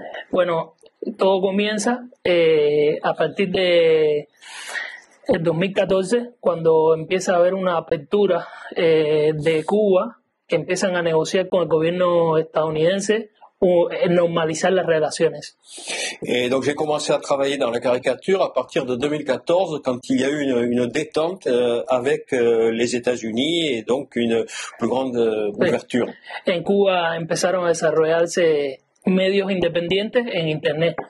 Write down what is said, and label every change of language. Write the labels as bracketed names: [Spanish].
[Spanish] Bueno, todo comienza a partir de el 2014, cuando empieza a haber una apertura de Cuba, que empiezan a negociar con el gobierno estadounidense normalizar las relaciones. [French] Et donc j'ai commencé à travailler dans la caricature à partir de 2014, quand il y a eu une détente avec les États-Unis et donc une plus grande ouverture. [Spanish] En Cuba empezaron a desarrollarse medios independientes en internet.